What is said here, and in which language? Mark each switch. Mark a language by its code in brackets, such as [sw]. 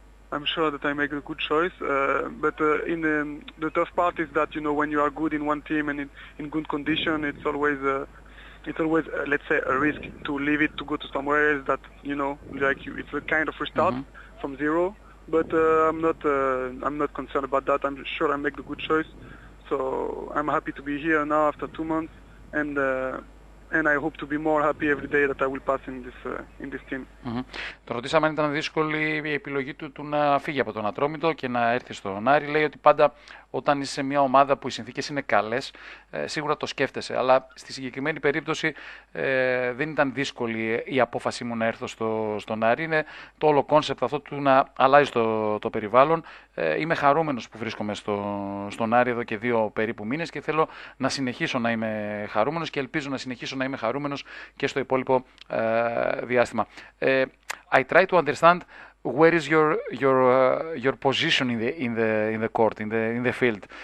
[en] I'm sure that I make a good choice, but in the tough part is that, you know, when you are good in one team and in good condition, it's always let's say a risk to leave it to go to somewhere else that, you know, like you, it's a kind of restart from zero. But I'm not concerned about that. I'm sure I make a good choice, so I'm happy to be here now after 2 months, and I hope to be more happy every day that I will pass in this team. [el] Το ρωτήσαμε αν ήταν δύσκολη η επιλογή του να φύγει από τον Ατρόμητο και να έρθει στον Άρη. Λέει ότι πάντα όταν είσαι σε μια ομάδα που οι συνθήκες είναι καλές, σίγουρα το σκέφτεσαι. Αλλά στη συγκεκριμένη περίπτωση δεν ήταν δύσκολη η απόφασή μου να έρθω στον Άρη. Είναι το όλο κόνσεπτ αυτό του να αλλάζει το περιβάλλον. Είμαι χαρούμενος που βρίσκομαι στον Άρη εδώ και 2 περίπου μήνες και θέλω να συνεχίσω να είμαι χαρούμενος και ελπίζω να συνεχίσω να είμαι χαρούμενος και στο υπόλοιπο διάστημα. [en] I try to understand where is your position in the court, in the field.